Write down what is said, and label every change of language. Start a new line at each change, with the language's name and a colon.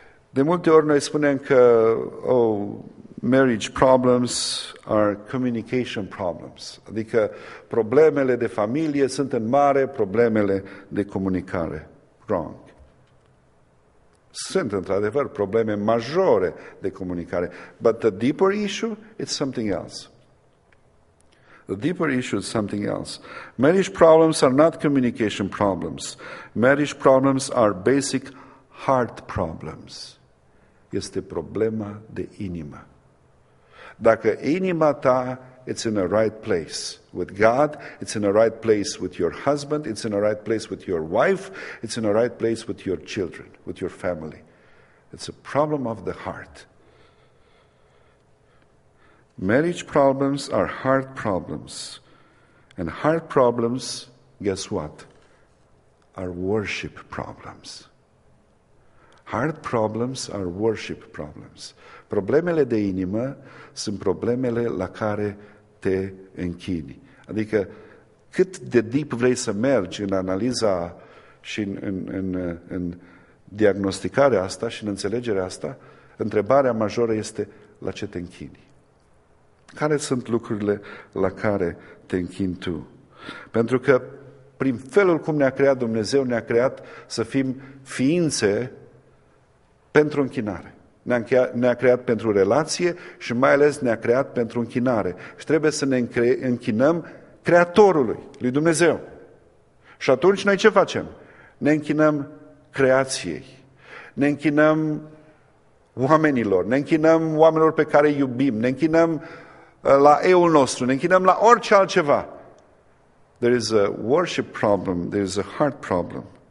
Romanian: De multe ori noi spunem că
English: marriage problems are communication problems.
Romanian: Adică problemele de familie sunt în mare problemele de comunicare.
English: Wrong.
Romanian: Sunt, într-adevăr, probleme majore de comunicare.
English: But the deeper issue is something else. The deeper issue is something else. Marriage problems are not communication problems. Marriage problems are basic heart problems.
Romanian: Este problema de inimă. Dacă inima ta,
English: it's in the right place with God, it's in the right place with your husband, it's in the right place with your wife, it's in the right place with your children, with your family. It's a problem of the heart. Marriage problems are heart problems. And heart problems, guess what? Are worship problems. Heart problems are worship problems.
Romanian: Problemele de inimă sunt problemele la care te închini. Adică cât de deep vrei să mergi în analiza și în diagnosticarea asta și în înțelegerea asta, întrebarea majoră este la ce te închini? Care sunt lucrurile la care te închini tu? Pentru că prin felul cum ne-a creat Dumnezeu, ne-a creat să fim ființe pentru închinare. ne-a creat pentru relație și mai ales ne-a creat pentru închinare. Și trebuie să ne închinăm Creatorului, lui Dumnezeu. Și atunci noi ce facem? Ne închinăm creației, ne închinăm oamenilor, ne închinăm oamenilor pe care îi iubim, ne închinăm la eul nostru, ne închinăm la orice altceva.
English: There is a worship problem, there is a heart problem.